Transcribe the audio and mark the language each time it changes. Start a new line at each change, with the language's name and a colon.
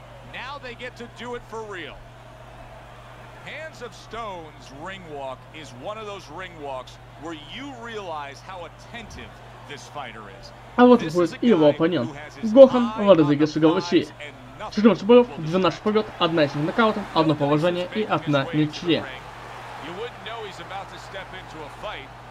English: Now they get to do it for real. Hands of Stones ring walk is one of those ring walks where you realize how attentive this fighter is.
Russian: А вот и его оппонент, Гохан Родригеса Гарсии. 14 боев, 12 побед, 1 из них нокаутом, 1 поражение и 1 ничья.
English: You wouldn't know he's about to step into a fight.